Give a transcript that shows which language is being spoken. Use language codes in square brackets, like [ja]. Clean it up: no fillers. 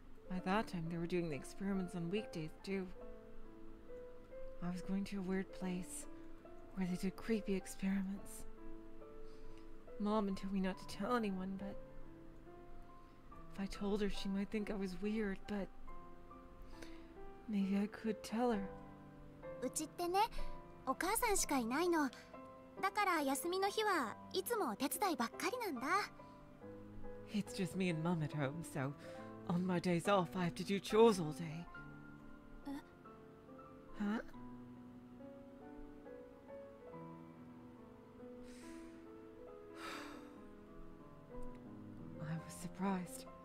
[en] By that time, they were doing the experiments on weekdays too. I was going to a weird place. Where they did creepy experiments. Mom told me not to tell anyone, but if I told her, she might think I was weird, but maybe I could tell her. [ja] うちってね、お母さんしかいないの。だから休みの日はいつもお手伝いばっかりなんだ。 [en] It's just me and Mum at home, so on my days off, I have to do chores all day. I was surprised.